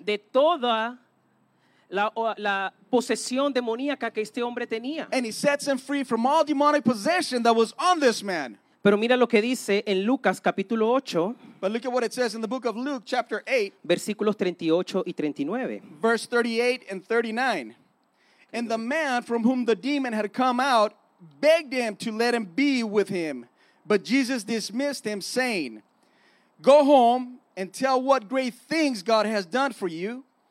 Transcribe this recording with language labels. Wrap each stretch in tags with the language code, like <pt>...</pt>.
<es>De toda la posesión demoníaca que este hombre tenía.</es> <en>And he sets him free from all demonic possession that was on this man.</en> <es>Pero mira lo que dice en Lucas capítulo 8.</es> <en>But look at what it says in the book of Luke chapter 8.</en> <es>Versículos 38 y 39.</es> <en>Verse 38 and 39. And the man from whom the demon had come out begged him to let him be with him. But Jesus dismissed him saying, go home and tell what great things God has done for you.</en>